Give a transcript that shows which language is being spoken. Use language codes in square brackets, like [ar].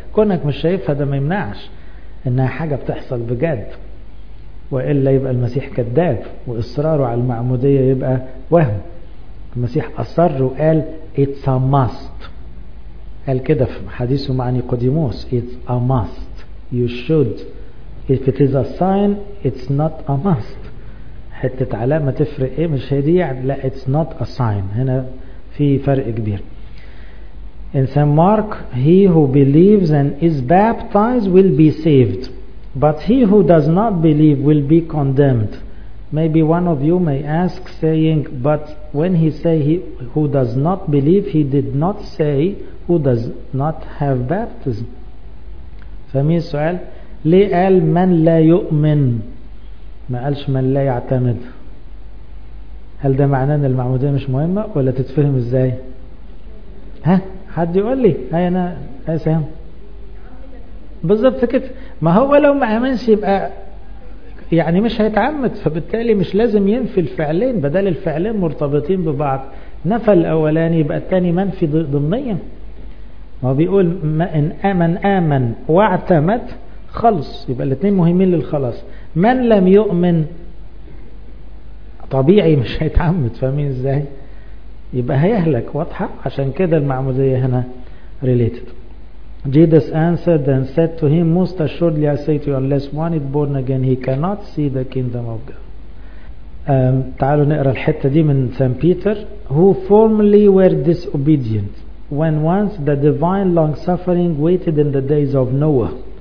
[ar] كونك مش شايفها ده ما يمنعش انها حاجة بتحصل بجد، وإلا يبقى المسيح كذاب وإصراره على المعمودية يبقى وهم. المسيح أصر وقال [en] it's a must. [ar] قال كده في حديثه مع نيقوديموس، it's a must. [en] You should. If it is a sign, it's not a must. [ar] حتة علامة تفرق ايه؟ مش هدية، لا [en] it's not a sign. [ar] هنا في فرق كبير. [en] In Saint Mark, he who believes and is baptized will be saved. But he who does not believe will be condemned. Maybe one of you may ask, saying, but when he say he who does not believe, he did not say who does not have baptism. [ar] فمين السؤال؟ ليه قال من لا يؤمن؟ ما قالش من لا يعتمد. هل ده معناه ان المعمودية مش مهمة ولا تتفهم ازاي؟ ها؟ حد يقول لي؟ هاي انا هاي سهم بالضبط كده. ما هو لو ما عملش يبقى يعني مش هيتعمد، فبالتالي مش لازم ينفي الفعلين، بدل الفعلين مرتبطين ببعض، نفى الاولاني يبقى التاني منفي ضمنيا. ما بيقول ما ان امن امن واعتمد خلص، يبقى الاثنين مهمين للخلاص. من لم يؤمن طبيعي مش هيتعمد، فاهمين ازاي؟ يبقى هيهلك. واضحه؟ عشان كده المعموديه هنا related. [en] Jesus answered and said to him, most assuredly I say to you, unless one is born again, he cannot see the kingdom of God. [ar] تعالوا نقرا الحته دي من سان بيتر. [en] Who formerly were disobedient when once the divine long suffering waited in the days of Noah.